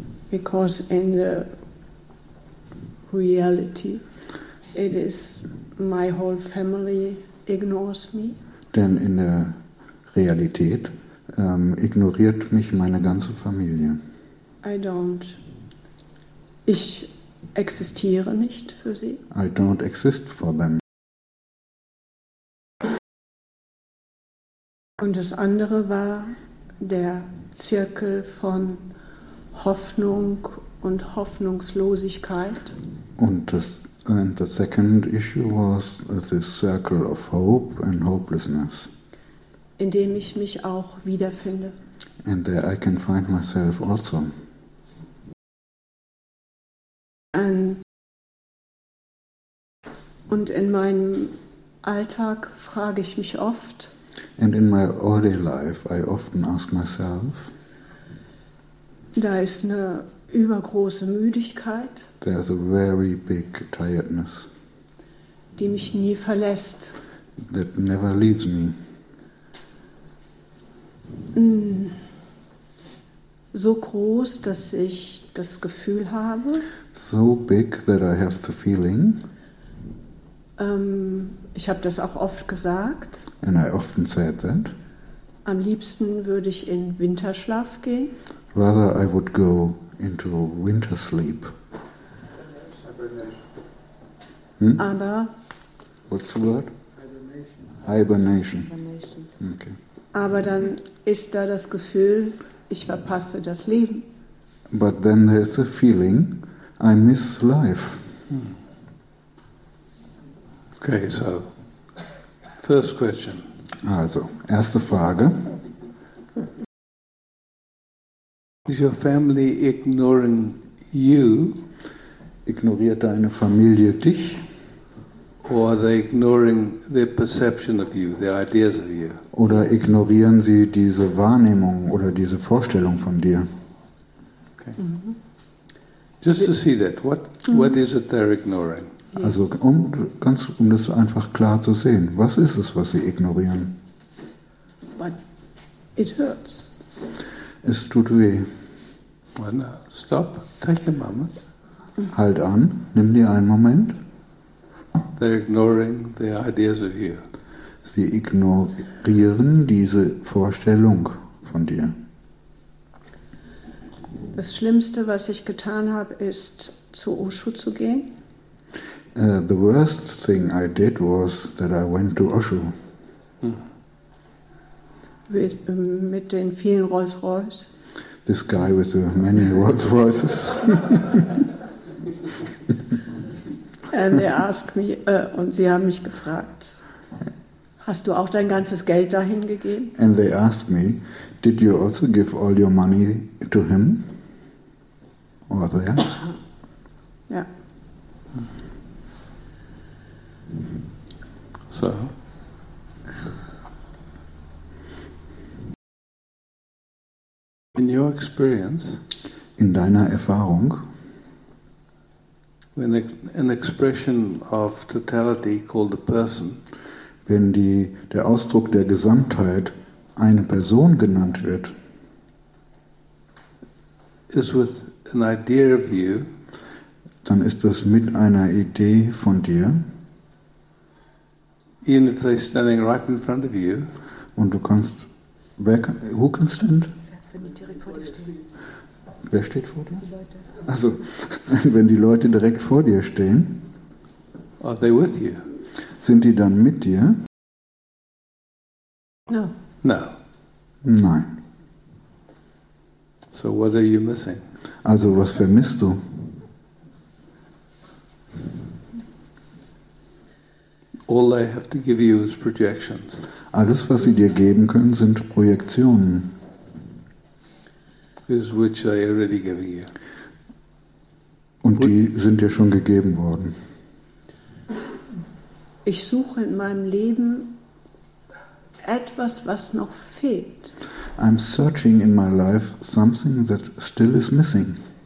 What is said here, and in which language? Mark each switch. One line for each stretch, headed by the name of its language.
English: Because in the reality, it is my whole family ignores me.
German: Denn in der Realität ignoriert mich meine ganze Familie.
English: I don't
German: Ich existiere nicht für sie.
English: I don't exist for them.
German: Und das andere war der Zirkel von Hoffnung und Hoffnungslosigkeit. Und das,
English: and the second issue was the circle of hope and hopelessness.
German: In dem ich mich auch wiederfinde.
English: And there I can find myself also.
German: Und in meinem Alltag frage ich mich oft.
English: And in my everyday life I often ask myself.
German: Da ist eine übergroße Müdigkeit.
English: There's a very big tiredness.
German: Die mich nie verlässt.
English: That never leaves me.
German: So groß, dass ich das Gefühl habe.
English: So big that I have the feeling.
German: Ich habe das auch oft gesagt.
English: And I often said that.
German: Am liebsten würde ich in Winterschlaf gehen.
English: Rather I would go into winter sleep.
German: Aber.
English: What's the word? Hibernation. Okay.
German: Aber dann ist da das Gefühl, ich verpasse das Leben.
English: But then there is a feeling, I miss life. Okay, so, first question.
German: Also, erste Frage.
English: Is your family ignoring you?
German: Ignoriert deine Familie dich?
English: Or are they ignoring their perception of you, their ideas of you?
German: Oder ignorieren sie diese Wahrnehmung oder diese Vorstellung von dir?
English: Okay. Mm-hmm. Just to see that, what is it they're ignoring?
German: Also um das einfach klar zu sehen, was ist es, was sie ignorieren?
English: But it hurts.
German: Es tut weh.
English: Well, no. Stop, take a moment.
German: Halt an, nimm dir einen Moment.
English: They're ignoring the ideas of you.
German: Sie ignorieren diese Vorstellung von dir. Das Schlimmste, was ich getan habe, ist zu Osho zu gehen.
English: The worst thing I did was that I went to Osho.
German: Mit den vielen Rolls Royce.
English: This guy with the many Rolls Royces. And they asked me,
German: und sie haben mich gefragt, hast du auch dein ganzes Geld dahin gegeben?
English: And they asked me, did you also give all your money to him? Or there?
German: Ja.
English: So. In your experience,
German: in deiner Erfahrung,
English: when an expression of totality called the person,
German: wenn der Ausdruck der Gesamtheit eine Person genannt wird,
English: is with an idea of you,
German: dann ist das mit einer Idee von dir,
English: even if they're standing right in front of you,
German: und du kannst,
English: who can stand?
German: Wer steht vor dir? Also, wenn die Leute direkt vor dir stehen,
English: are they with you?
German: Sind die dann mit dir?
English: No. No.
German: Nein.
English: So what are you missing?
German: Also, was vermisst du?
English: All they have to give you is projections.
German: Alles, was sie dir geben können, sind Projektionen.
English: Is which I already gave you.
German: Und die sind dir schon gegeben worden. Ich suche in meinem Leben etwas, was noch fehlt.
English: I'm searching in my life something that still is missing.